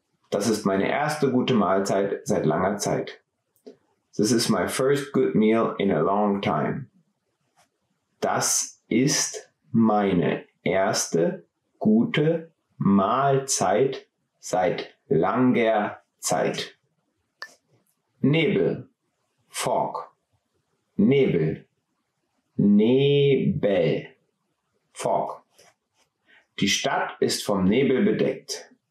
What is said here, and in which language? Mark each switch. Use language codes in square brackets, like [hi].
[de] Das ist meine erste gute Mahlzeit seit langer Zeit. [en] This is my first good meal in a long time. [de] Das ist meine erste gute Mahlzeit seit langer Zeit. Nebel. Fog. Nebel. Nebel. Fog. Die Stadt ist vom Nebel bedeckt.